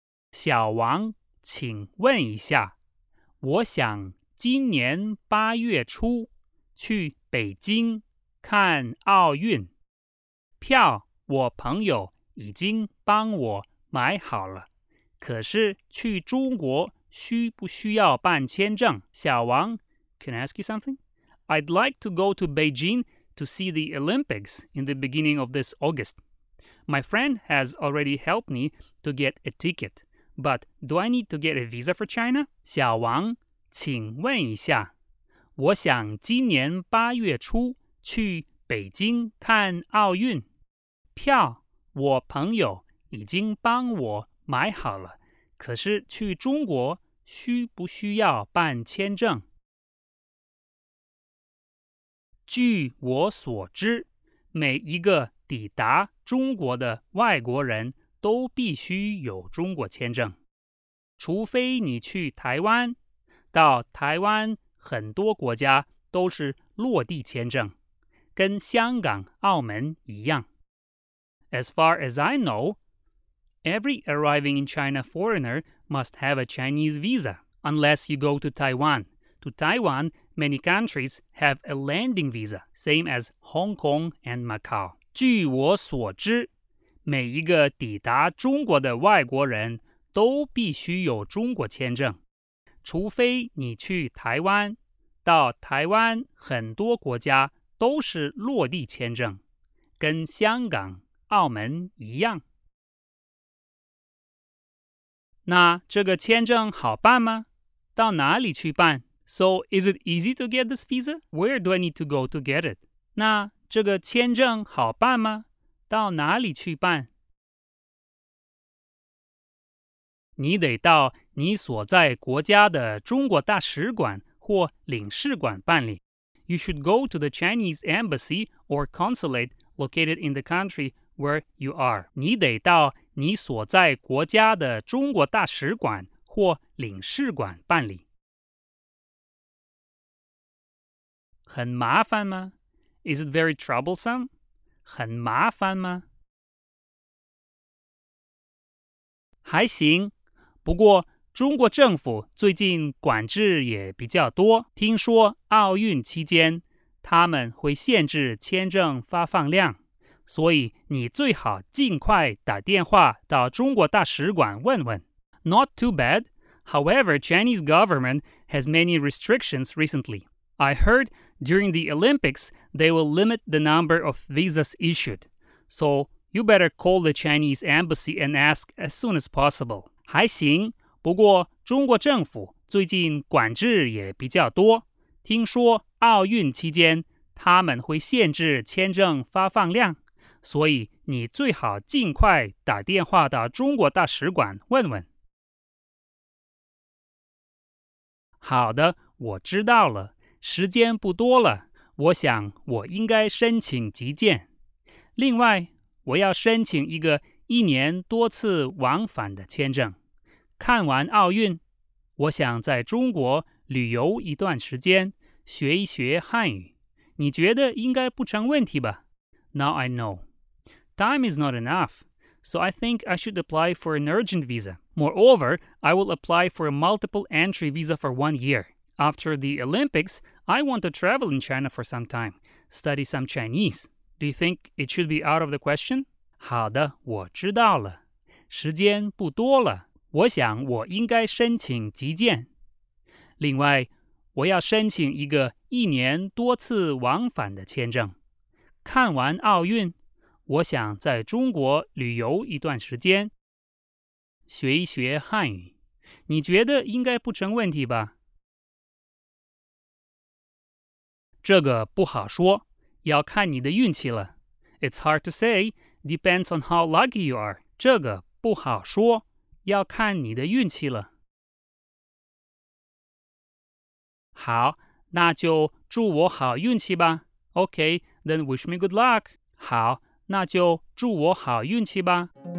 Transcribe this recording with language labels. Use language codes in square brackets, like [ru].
[zh] 小王，请问一下，我想今年八月初去北京看奥运，票我朋友已经帮我买好了，可是去中国需不需要办签证？ [en] 小王 ，Can I ask you something? I'd like to go to Beijing to see the Olympics in the beginning of this August. My friend has already helped me to get a ticket, but do I need to get a visa for China? [zh] 小王，请问一下，我想今年八月初去北京看奥运，票我朋友已经帮我买好了。可是去中国需不需要办签证？据我所知，每一个抵达中国的外国人都必须有中国签证，除非你去台湾。到台湾很多国家都是落地签证，跟香港、澳门一样。 [en] As far as I know,Every arriving in China foreigner must have a Chinese visa, unless you go to Taiwan. To Taiwan, many countries have a landing visa, same as Hong Kong and Macau. [zh] 据我所知，每一个抵达中国的外国人都必须有中国签证，除非你去台湾。到台湾很多国家都是落地签证，跟香港、澳门一样。那这个签证好办吗？到哪里去办？ [en] So, is it easy to get this visa? Where do I need to go to get it? [zh] 那这个签证好办吗？到哪里去办？你得到你所在国家的中国大使馆或领事馆办理。 [en] You should go to the Chinese embassy or consulate located in the country where you are. [zh] 你得到你所在国家的中国大使馆或领事馆办理。很麻烦吗？ [en] Is it very troublesome? [zh] 很麻烦吗？还行，不过中国政府最近管制也比较多。听说奥运期间，他们会限制签证发放量。所以你最好尽快打电话到中国大使馆问问。 [en] Not too bad. However, Chinese government has many restrictions recently. I heard during the Olympics, they will limit the number of visas issued. So you better call the Chinese embassy and ask as soon as possible. [zh] 还行，不过中国政府最近管制也比较多。听说奥运期间，他们会限制签证发放量。所以你最好尽快打电话到中国大使馆问问。好的，我知道了。时间不多了，我想我应该申请急件。另外，我要申请一个一年多次往返的签证。看完奥运，我想在中国旅游一段时间，学一学汉语。你觉得应该不成问题吧？ [en] Now I know. Time is not enough, so I think I should apply for an urgent visa. Moreover, I will apply for a multiple entry visa for 1 year. After the Olympics, I want to travel in China for some time, study some Chinese. Do you think it should be out of the question? [zh] 好的，我知道了。时间不多了，我想我应该申请急件。另外，我要申请一个一年多次往返的签证。看完奥运，我想在中国旅游一段时间，学一学汉语。你觉得应该不成问题吧？这个不好说，要看你的运气了。 [en] It's hard to say, depends on how lucky you are. [zh] 这个不好说，要看你的运气了。好，那就祝我好运气吧。 [en] Okay, then wish me good luck. [zh] 好，那就祝我好运气吧。